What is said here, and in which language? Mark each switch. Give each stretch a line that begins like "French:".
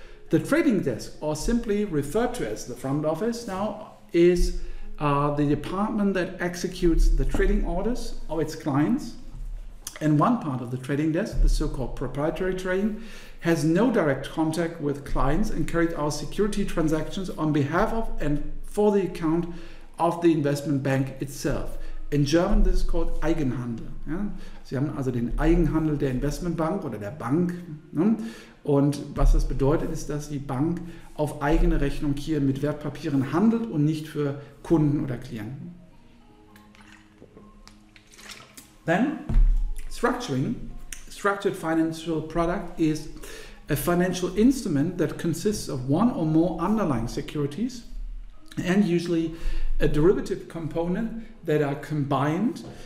English: The trading desk, or simply referred to as the front office now, is the department that executes the trading orders of its clients. And one part of the trading desk, the so-called proprietary trading, has no direct contact with clients and carries out security transactions on behalf of and for the account of the investment bank itself. In German, this is called Eigenhandel. Ja?
German: Sie haben also den Eigenhandel der Investmentbank oder der Bank. Ne? Und was das bedeutet, ist, dass die Bank auf eigene Rechnung hier mit Wertpapieren handelt und nicht für Kunden oder Klienten.
English: Then, structuring, structured financial product, is a financial instrument that consists of one or more underlying securities and usually a derivative component that are combined.